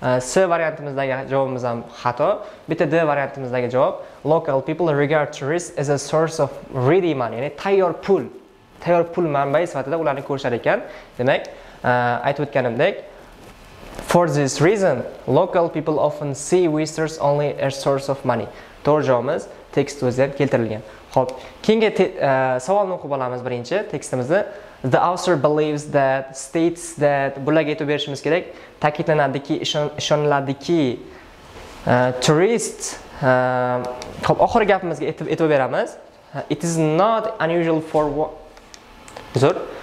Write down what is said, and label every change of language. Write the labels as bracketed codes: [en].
[uz] C variantimizdagi javobimiz ham xato. Bitta D variantimizdagi javob [en] local people regard tourists as a source of ready money, [uz] ya'ni tayyor pul. Tayyor pul manbai sifatida ularni ko'rishar ekan. Demak, aytib o'tganimdek [en] for this reason, local people often see visitors only as source of money. [uz] To'g'ri javobimiz tekst o'zida keltirilgan. Xo'p, keyingi savolni o'qib olamiz birinchi tekstimizni. [en] The author believes that, states that, [uz] bularga aytib berishimiz kerak. Ta'kidlanadiki, ishoniladiki, tourist, xo'p, oxirgi gapimizga aytib beramiz. [en] It is not unusual for what? Zor.